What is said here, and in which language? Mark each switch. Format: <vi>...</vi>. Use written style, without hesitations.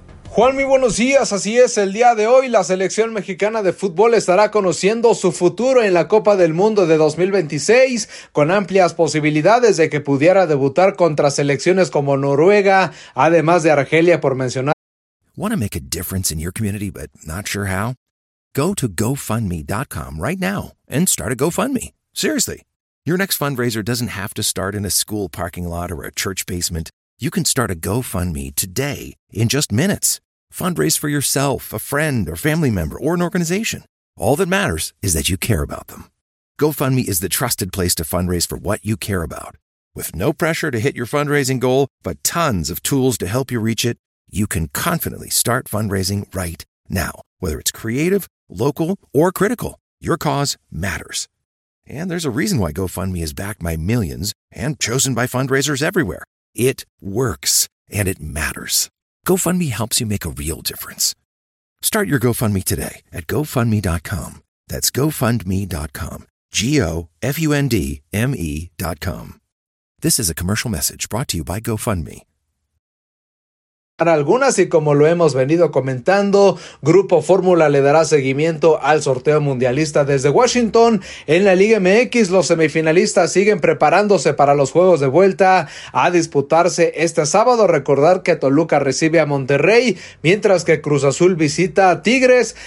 <es>Juan, muy buenos días. Así es, el día de hoy la selección mexicana de fútbol estará conociendo su futuro en la Copa del Mundo de 2026, con amplias posibilidades de que pudiera debutar contra selecciones como Noruega, además de Argelia, por mencionar.</es> <en>Want to make a difference in your community but not sure how? Go to GoFundMe.com right now and start a GoFundMe. Seriously, your next fundraiser doesn't have to start in a school parking lot or a church basement. You can start a GoFundMe today in just minutes. Fundraise for yourself, a friend, or family member, or an organization. All that matters is that you care about them. GoFundMe is the trusted place to fundraise for what you care about. With no pressure to hit your fundraising goal, but tons of tools to help you reach it, you can confidently start fundraising right now. Whether it's creative, local, or critical, your cause matters. And there's a reason why GoFundMe is backed by millions and chosen by fundraisers everywhere. It works, and it matters. GoFundMe helps you make a real difference. Start your GoFundMe today at GoFundMe.com. That's GoFundMe.com. GoFundMe.com. This is a commercial message brought to you by GoFundMe.</en> <es>Para algunas, y como lo hemos venido comentando, Grupo Fórmula le dará seguimiento al sorteo mundialista desde Washington. En la Liga MX, los semifinalistas siguen preparándose para los juegos de vuelta a disputarse este sábado. Recordar que Toluca recibe a Monterrey, mientras que Cruz Azul visita a Tigres.</es>